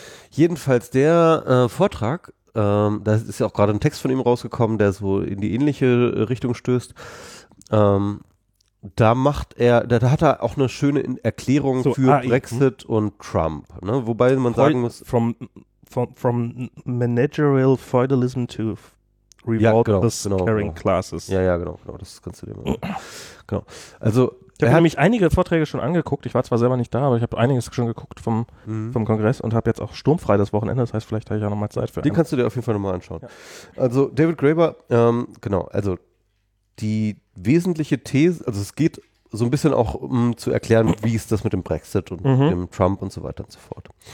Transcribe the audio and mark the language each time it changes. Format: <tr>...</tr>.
<de>Jedenfalls der Vortrag, da ist ja auch gerade ein Text von ihm rausgekommen, der so in die ähnliche Richtung stößt. Da hat er auch eine schöne Erklärung so, für Brexit und Trump, ne? Wobei man sagen muss,</de> <en>from managerial feudalism to caring classes.</en> <de>Ja, genau. Das kannst du dir mal. Genau. Also ich habe nämlich einige Vorträge schon angeguckt. Ich war zwar selber nicht da, aber ich habe einiges schon geguckt vom Kongress und habe jetzt auch sturmfrei das Wochenende. Das heißt, vielleicht habe ich auch nochmal Zeit für. Die kannst du dir auf jeden Fall nochmal anschauen. Ja. Also David Graeber, genau. Also die wesentliche These, also es geht so ein bisschen auch um zu erklären, wie ist das mit dem Brexit und dem Trump und so weiter und so fort.</de>